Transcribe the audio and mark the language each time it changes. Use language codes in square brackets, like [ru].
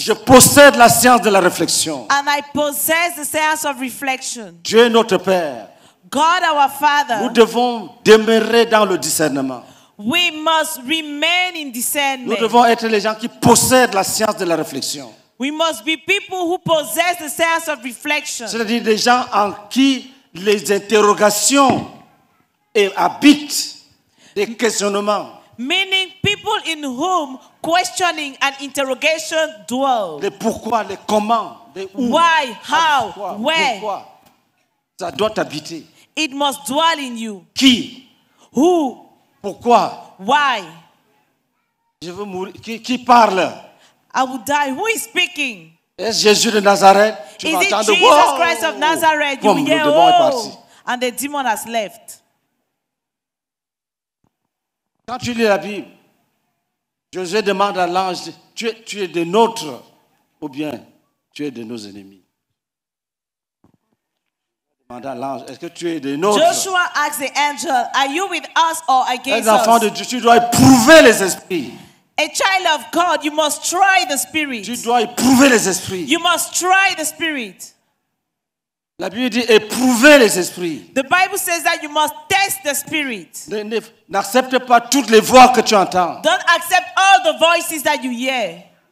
[fr] Et je possède la science de la réflexion. [en] And I possess the science of reflection. [fr] Dieu notre Père. [en] God our Father. [fr] Nous devons demeurer dans le discernement. [en] We must remain in discernment. [fr] Nous devons être les gens qui possèdent la science de la réflexion. [en] We must be people who possess the science of reflection. [fr] C'est-à-dire des gens en qui les interrogations habitent, les questionnements. [en] Meaning people in whom questioning and interrogation dwell. [fr] Le pourquoi, le comment, le où, [en] why, how, [fr] pourquoi, [en] where. [fr] Pourquoi. Ça doit habiter. [en] It must dwell in you. [fr] Qui? [en] Who? [fr] Pourquoi? [en] Why? [fr] Je veux mourir. Qui parle? [en] I will die. Who is speaking? [fr] Est-ce Jésus de Nazareth? [en] Tu is it Jesus wow! Christ of Nazareth? Boom, you will hear, oh! And the demon has left. [fr] Quand tu lis la Bible, Josué demande à l'ange, tu es de notre ou bien tu es de nos ennemis? Demande à l'ange, est-ce que tu es de notre? [en] Joshua asked the angel, are you with us or against [fr] us? Un enfant de Dieu, tu dois éprouver les esprits. [en] A child of God, you must try the spirit. [fr] Tu dois éprouver les esprits. [en] You must try the spirit. [fr] La Bible dit éprouver les esprits. [en] The Bible says that you must test the spirit. [fr] N'accepte pas toutes les voix que tu entends. [en] Don't accept all the voices that you hear.